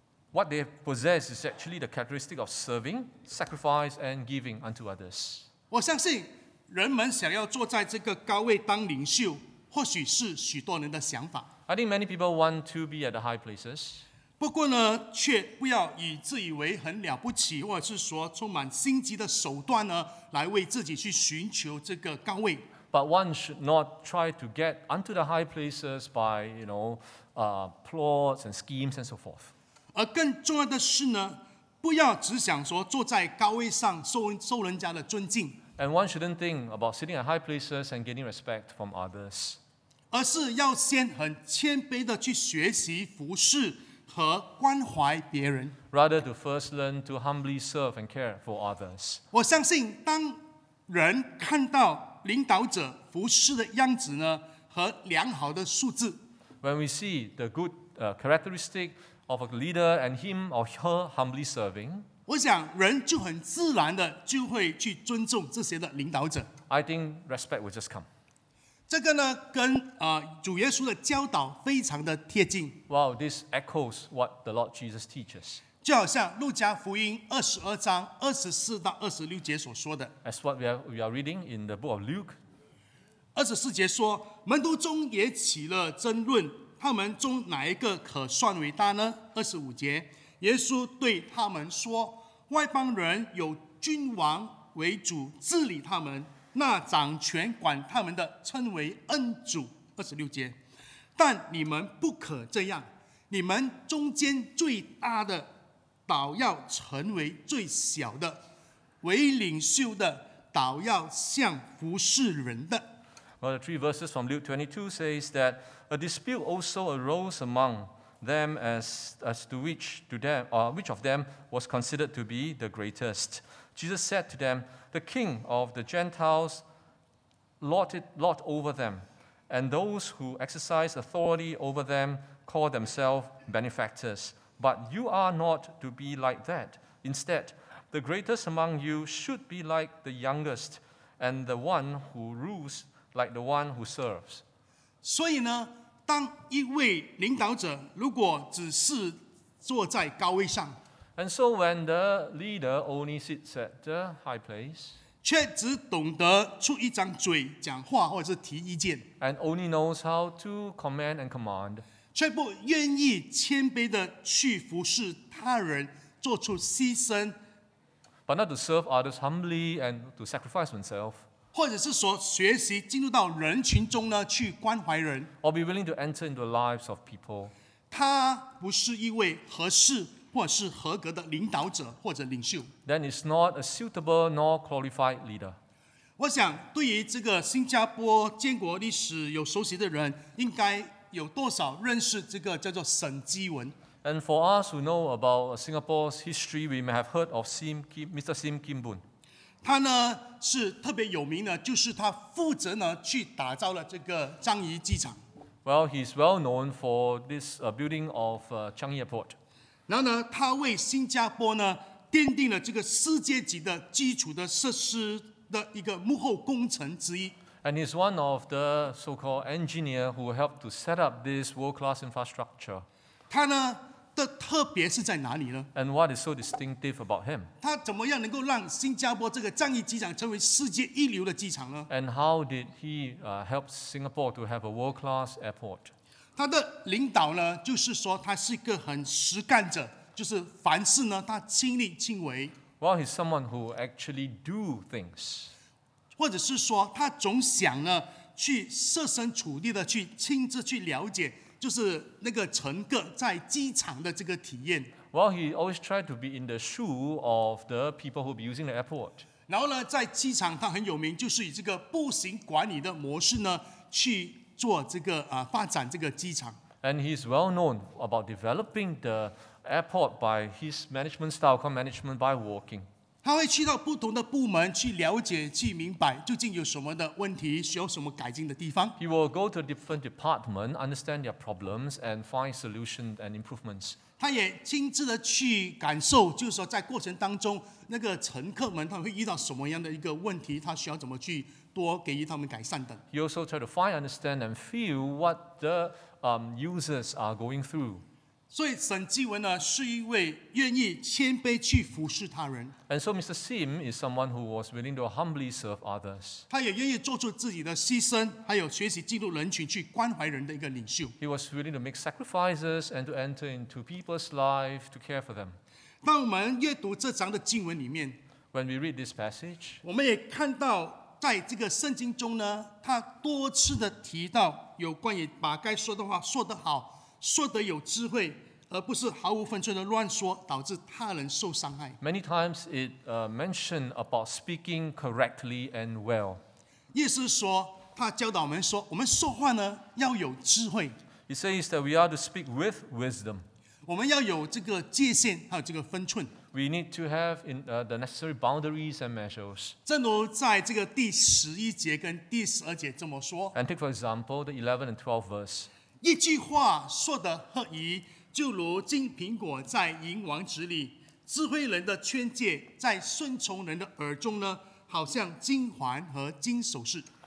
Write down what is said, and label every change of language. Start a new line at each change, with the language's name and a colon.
English: What they possess is actually the characteristic of serving, sacrifice, and giving unto others.
Chinese: 我相信人们想要坐在这个高位当领袖，或许是许多人的想法。
English: I think many people want to be at the high places.
Chinese: 不过呢，却不要以自以为很了不起，或者是说充满心机的手段呢，来为自己去寻求这个高位。
English: But one should not try to get unto the high places by, you know, plots and schemes and so forth.
Chinese: 而更重要的是呢，不要只想说坐在高位上受人家的尊敬。
English: And one shouldn't think about sitting at high places and getting respect from others.
Chinese: 而是要先很谦卑的去学习服侍和关怀别人。
English: Rather to first learn to humbly serve and care for others.
Chinese: 我相信当人看到领导者服事的样子呢和良好的素质。
English: When we see the good characteristic of a leader and him or her humbly serving,
Chinese: 我想人就很自然的就会去尊重这些的领导者。
English: I think respect will just come.
Chinese: 这个呢跟主耶稣的教导非常的贴近。
English: Wow, this echoes what the Lord Jesus teaches.
Chinese: 就好像路加福音22:24-26所说的
English: ，As what we are reading in the book of Luke，
Chinese: 24说，门徒中也起了争论，他们中哪一个可算为大呢？ 25，耶稣对他们说，外邦人有君王为主治理他们，那掌权管他们的称为恩主。 26，但你们不可这样，你们中间最大的倒要成为最小的，为领袖的倒要像服侍人的。
English: Well, the three verses from Luke 22 says that a dispute also arose among them as to which to them or which of them was considered to be the greatest. Jesus said to them, "The king of the Gentiles lord over them, and those who exercise authority over them call themselves benefactors." But you are not to be like that. Instead, the greatest among you should be like the youngest, and the one who rules like the one who serves.
Chinese: 所以呢，当一位领导者如果只是坐在高位上
English: ，And so when the leader only sits at the high place，
Chinese: 却只懂得出一张嘴讲话或者是提意见
English: ，And only knows how to command and command。
Chinese: 却不愿意谦卑的去服侍他人，做出牺牲
English: ，but not to serve others humbly and to sacrifice oneself，
Chinese: 或者是说学习进入到人群中呢，去关怀人
English: ，or be willing to enter into the lives of people。
Chinese: 他不是一位合适或是合格的领导者或者领袖
English: ，then it's not a suitable nor qualified leader。
Chinese: 我想，对于这个新加坡建国历史有熟悉的人，应该。有多少认识这个叫做沈基文
English: ？And for us who know about Singapore's history, we may have heard of Mr. Sim Kim Boon.
Chinese: 他呢是特别有名的，就是他负责呢去打造了这个樟宜机场。
English: Well, he's well known for this building of Changi Airport.
Chinese: 然后呢，他为新加坡呢奠定了这个世界级的基础的设施的一个幕后工程之一。
English: And he's one of the so-called engineer who helped to set up this world-class infrastructure.
Chinese: 他呢的特别是在哪里呢
English: ？And what is so distinctive about him?
Chinese: 他怎么样能够让新加坡这个樟宜机场成为世界一流的机场呢
English: ？And how did he help Singapore to have a world-class airport?
Chinese: 他的领导呢，就是说他是一个很实干者，就是凡事呢他亲力亲为。
English: Well, he's someone who actually do things.
Chinese: 或者是说，他总想呢，去设身处地的去亲自去了解，就是那个乘客在机场的这个体验。
English: Well, he always tried to be in the shoe of the people who be using the airport.
Chinese: 然后呢，在机场他很有名，就是以这个步行管理的模式呢，去做这个发展这个机场。
English: And he's well known about developing the airport by his management style called management by walking.
Chinese: 他会去到不同的部门去了解、去明白究竟有什么的问题，需要什么改进的地方。
English: He will go to different departments, understand their problems, and find solutions and improvements.
Chinese: 他也亲自的去感受，就是说在过程当中，那个乘客们他会遇到什么样的一个问题，他需要怎么去多给予他们改善等。
English: He also try to find, understand, and feel what the users are going through.
Chinese: 所以沈基文呢是一位愿意谦卑去服侍他人。
English: And so Mr. Sim is someone who was willing to humbly serve others.
Chinese: 他也愿意做出自己的牺牲，还有学习进入人群去关怀人的一个领袖。
English: He was willing to make sacrifices and to enter into people's life to care for them.
Chinese: 当我们阅读这章的经文里面
English: ，When we read this passage，
Chinese: 我们也看到在这个圣经中呢，他多次的提到有关于把该说的话说得好。说得有智慧，而不是毫无分寸的乱说，导致他人受伤害。
English: Many times it mentioned about speaking correctly and well.
Chinese: 意思是说，他教导我们说，我们说话呢要有智慧。
English: He says that we are to speak with wisdom.
Chinese: 我们要有这个界限，还有这个分寸。
English: We need to have in, the necessary boundaries and measures.
Chinese: 正如在这个第十一节跟第十二节这么说,
English: and take for example the 11 and 12 verse.
Chinese: 一句话说得合宜, 就如金苹果在银王子里, 智慧人的劝诫在顺从人的耳中呢, 好像金环和金首饰。